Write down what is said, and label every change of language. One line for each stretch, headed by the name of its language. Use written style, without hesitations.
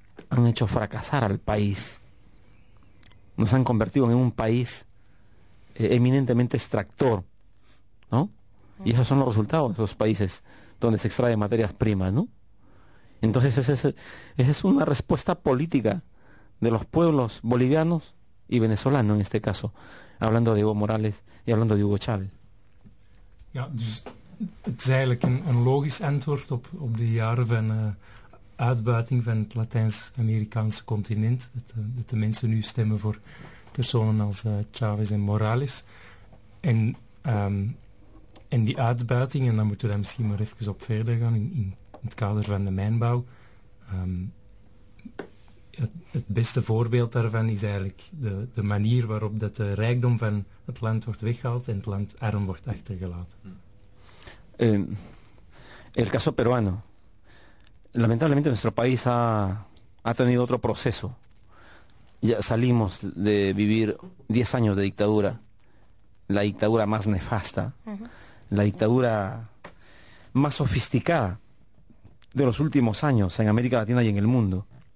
Spanish: Han hecho fracasar al país, nos han convertido en un país eminentemente extractor, ¿no? Y esos son los resultados de esos países donde se extraen materias primas, ¿no? Entonces esa es una respuesta política de los pueblos bolivianos y venezolanos en este caso, hablando de Evo Morales y hablando de Hugo Chávez.
Dutch: Ya, dus het is eigenlijk een logisch antwoord op de jaren van uitbuiting van het Latijns-Amerikaanse continent. Dat de mensen nu stemmen voor personen als Chavez en Morales. En die uitbuiting, en dan moeten we daar misschien maar even op verder gaan in het kader van de mijnbouw. Het beste voorbeeld daarvan is eigenlijk de manier waarop dat de rijkdom van het land wordt weggehaald en het land arm wordt achtergelaten.
Spanish: El caso peruano. Lamentablemente nuestro país ha tenido otro proceso. Ya salimos de vivir 10 años de dictadura, la dictadura más nefasta, la dictadura más sofisticada de los últimos años en América Latina y en el mundo.